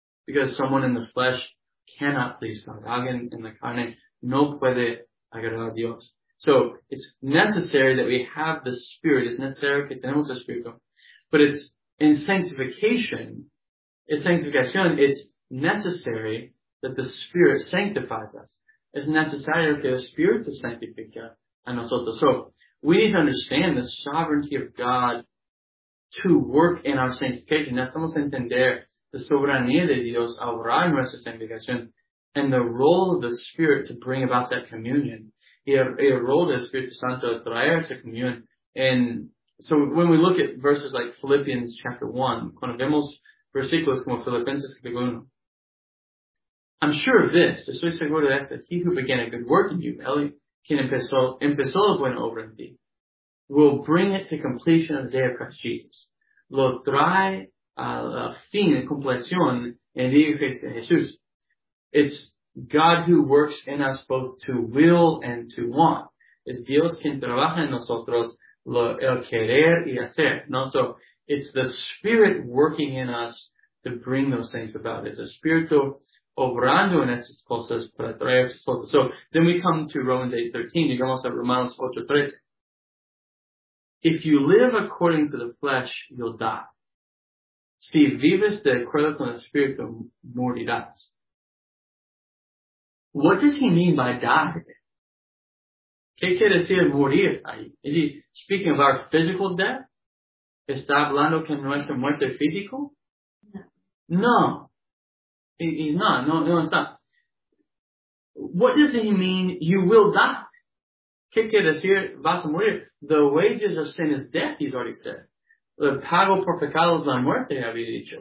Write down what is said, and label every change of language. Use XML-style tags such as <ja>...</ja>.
<en>Because someone in the flesh cannot please God.</en> <es>Alguien en la carne no puede agradar a Dios.</es> <en>So, it's necessary that we have the Spirit.</en> <es>Es necesario que tenemos el Espíritu.</es> <en>But it's in sanctification. In sanctification, it's necessary that the Spirit sanctifies us.</en> <es>Es necesario que el Espíritu sanctifique a nosotros.</es> <en>So, we need to understand the sovereignty of God to work in our sanctification.</en> <es>Necesitamos entender la soberanía de Dios a obrar en nuestra sanctificación</es> <en>and the role of the Spirit to bring about that communion.</en> <es>Y el rol del Espíritu Santo a traer esa comunión.</es> <en>And so, when we look at verses like Philippians chapter 1,</en> <es>cuando vemos versículos como Filipenses capítulo 1,</es> <en>I'm sure of this,</en> <es>estoy seguro de esto,</es> <en>he who began a good work in you,</en> <es>él quien empezó la buena obra en ti,</es> <en>will bring it to completion of the day of Christ Jesus.</en> <es>Lo trae a la fin, a completion, en el día de Jesús.</es> <en>It's God who works in us both to will and to want.</en> <es>Es Dios quien trabaja en nosotros lo, el querer y hacer.</es> <en>No, so it's the Spirit working in us to bring those things about. It's a spiritual</en> <es>obrando en estas cosas para traer estas cosas.</es> <en>So, then we come to Romans 8:13.</en> <es>Llegamos a Romanos 8:13.</es> <en>If you live according to the flesh, you'll die.</en> <es>Si vives de acuerdo con el Espíritu, morirás.</es> <en>What does he mean by die?</en> <es>¿Qué quiere decir morir ahí?</es> <en>Is he speaking of our physical death?</en> <es>¿Está hablando que nuestra muerte es físico?</es> <en>No. No. He's not. No, no, it's not. What does he mean, you will die?</en> <es>¿Qué quiere decir, vas a morir?</es> <en>The wages of sin is death, he's already said.</en> <es>El pago por pecado es la muerte, había dicho.</es>